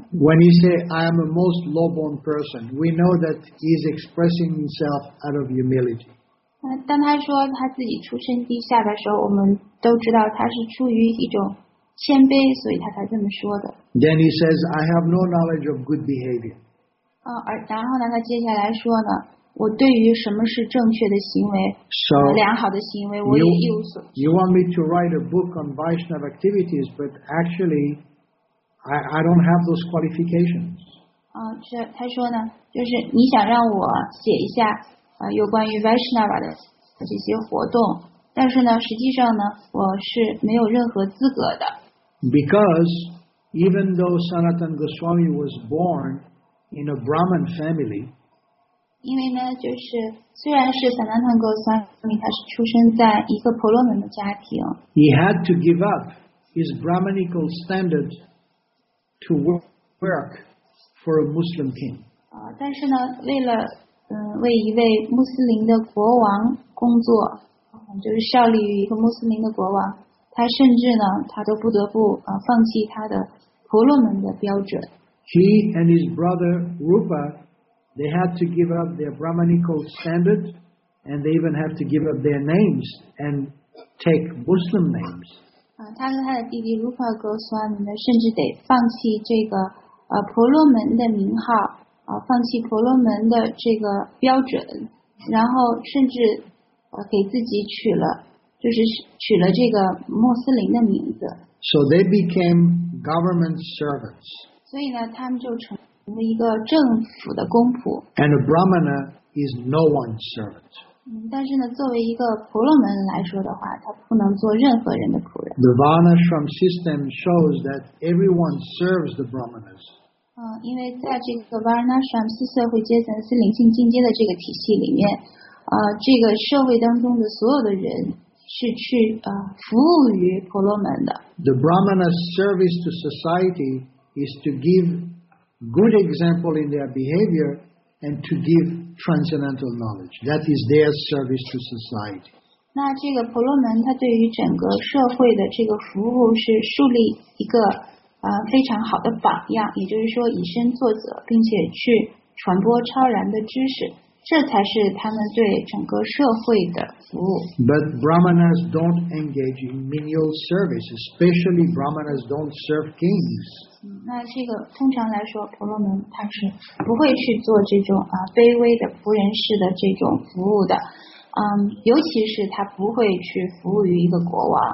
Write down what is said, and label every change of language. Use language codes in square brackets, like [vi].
[en] When he say I am a most low-born person, we know that he is expressing himself out of humility. [zh] 当他说他自己出身低下的时候，我们都知道他是出于一种谦卑，所以他才这么说的。 [en] Then he says I have no knowledge of good behavior. [zh] 然后呢，他接下来说呢。我对于什么是正确的行为、 so、良好的行为我也一无所知。 [en] You want me to write a book on Vaishnava activities, but actually, I don't have those qualifications. [zh] 他说呢，就是你想让我写一下有关于 Vaishnava 的这些活动，但是呢，实际上呢，我是没有任何资格的。 [en] Because even though Sanatana Goswami was born in a Brahmin family, [zh] 因为呢，就是虽然是 Sanatana Goswami， 他是出生在一个婆罗门的家庭。 [en] He had to give up his Brahminical standard to work for a Muslim king. [zh] 但是呢，为了为一位穆斯林的国王工作，就是效力于一个穆斯林的国王，他甚至呢，他都不得不放弃他的婆罗门的标准。 [en] He and his brother Rupa. They had to give up their Brahmanical standard, and they even have to give up their names and take Muslim names. [zh] 他和他的弟弟 Rupa Goswami 呢，甚至得放弃这个婆罗门的名号，放弃婆罗门的这个标准，然后甚至给自己取了这个穆斯林的名字。 [en] So they became government servants. [zh] 所以呢，他们就成。一个政府的公仆。 [en] And a brahmana is no one's servant. [zh] 但是呢，作为一个婆罗门来说的话，他不能做任何人的仆人。 [en] The Varnashram system shows that everyone serves the brahmanas. [zh] 因为在这个 Varnashram 四社会阶层是灵性进阶的这个体系里面，这个社会当中的所有的人是去服务于婆罗门的。 [en] The brahmana's service to society is to give. Good example in their behavior and to give transcendental knowledge. That is their service to society. [zh] 那这个婆罗门他对于整个社会的这个服务是树立一个非常好的榜样，也就是说以身作则，并且去传播超然的知识，这才是他们对整个社会的服务。 [en] But brahmanas don't engage in menial service, especially brahmanas don't serve kings. [zh] 那这个通常来说，婆罗门他是不会去做这种卑微的仆人式的这种服务的。尤其是他不会去服务于一个国王。